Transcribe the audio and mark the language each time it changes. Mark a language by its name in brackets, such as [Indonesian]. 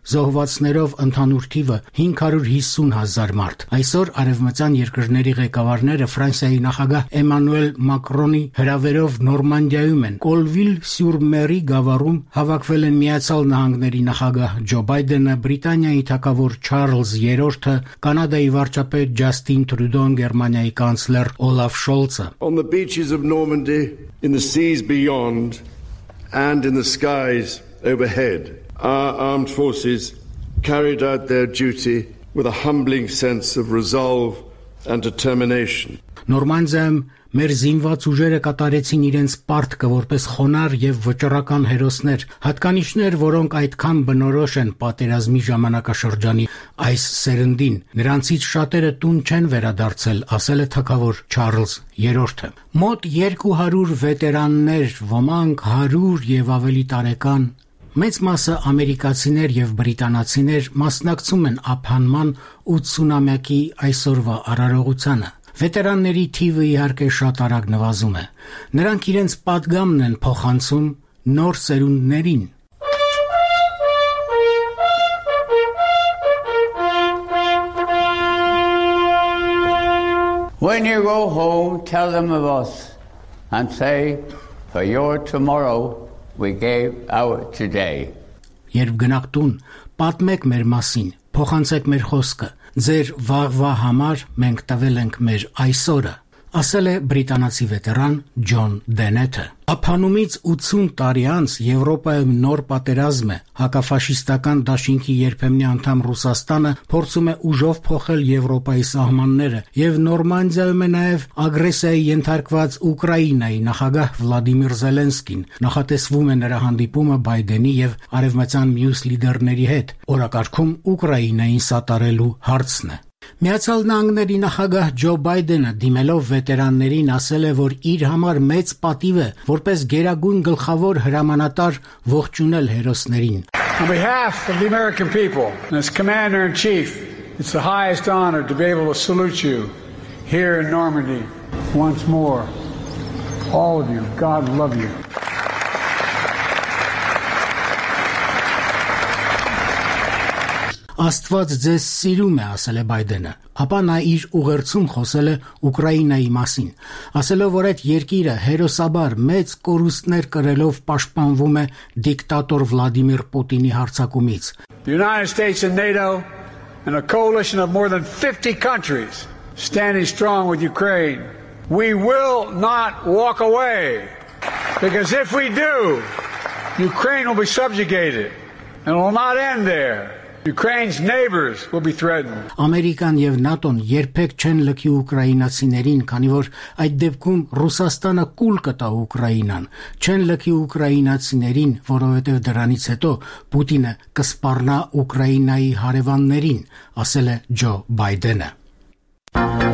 [Armenian] զոհվածներով ընդհանուր թիվը 550 հազար մարդ։ Այսօր արևմտյան երկրների ղեկավարները Ֆրանսիայի նախագահ Էմանուել Մակրոնի հրավերով Նորմանդիայում են, Կոլվիլ-Սյուր-Մերի գավառում հավաքվել են Միացյալ Նահանգների նախագահ Ջո Բայդենը, Բրիտանիայի թագավոր Չարլզ III-ը, Կանադայի վարչապետ Ջաստին Տրյուդոն, Գերմանիայի կանցլեր Օլաֆ Շոլցը։ [English] On the beaches of Normandy, in the seas beyond, and in the skies overhead, our armed forces carried out their duty with a humbling sense of resolve and determination. [Armenian] Նորմանդիայում մեր զինված ուժերը կատարեցին իրենց պարտքը որպես խոնար և վճռական հերոսներ, հատկանիշներ, որոնք այդքան բնորոշ են պատերազմի ժամանակաշրջանի այս սերնդին, նրանցից շատերը տուն չեն վերադարձել, ասել է թագավոր Չարլզ III-ը։ Մոտ 200 վետերաններ, ոմանք 100 և ավելի տարեկան, մեծ մասը ամերիկացիներ և բրիտանացիներ, մասնակցում են ափանման 80-ամյակի այսօրվա արարողությանը։ Վետերանների թիվը իհարկե շատ արագ նվազում է, նրանք իրենց պատգամն են փոխանցում նոր սերունդներին։ [English] When you go home, tell them of us and say, for your tomorrow we gave our today. [Armenian] Երբ գնաք տուն, պատմեք մեր մասին, փոխանցեք մեր խոսքը, ձեր վաղվա համար մենք տվել ենք մեր այսօրը, ասել է բրիտանացի վետերան Ջոն Դենետը։ Ափանումից 80 տարի անց Եվրոպայում նոր պատերազմ է, հակաֆաշիստական դաշինքի երբեմնի անդամ Ռուսաստանը փորձում է ուժով փոխել Եվրոպայի սահմանները, և Նորմանդիայում է նաև ագրեսիայի ենթարկված Ուկրաինայի նախագահ Վլադիմիր Զելենսկին, նախատեսվում է նրա հանդիպումը Բայդենի և արևմտյան մյուս լիդերների հետ, օրակարգում Ուկրաինային սատարելու հարցն է։ Միացյալ Նահանգների նախագահ Ջո Բայդենը դիմելով վետերաններին ասել է, որ իր համար մեծ պատիվ է որպես գերագույն գլխավոր հրամանատար ողջունել հերոսներին։ [English] On behalf of the American people, as commander in chief, it's the highest honor to be able to salute you here in Normandy once more. All of you, God love you. [Armenian] Աստված ձեզ սիրում է, ասել է Բայդենը, ապա նա իր ուղերձում խոսել է Ուկրաինայի մասին, ասելով, որ այդ երկիրը հերոսաբար մեծ կորուստներ կրելով պաշտպանվում է դիկտատոր Վլադիմիր Պուտինի հարձակումից։ [English] The United States and NATO and a coalition of more than 50 countries standing strong with Ukraine. We will not walk away, because if we do, Ukraine will be subjugated and will not end there. Ukraine's neighbors will be threatened. [Armenian] Ամերիկան եւ ՆԱՏՕ-ն երբեք չեն լքի ուկրաինացիներին, քանի որ այդ դեպքում Ռուսաստանը կուլ կտա Ուկրաինան։ Չեն լքի ուկրաինացիներին, որովհետեւ դրանից հետո Պուտինը կսպառնա Ուկրաինայի հարևաններին, ասել է Ջո Բայդենը։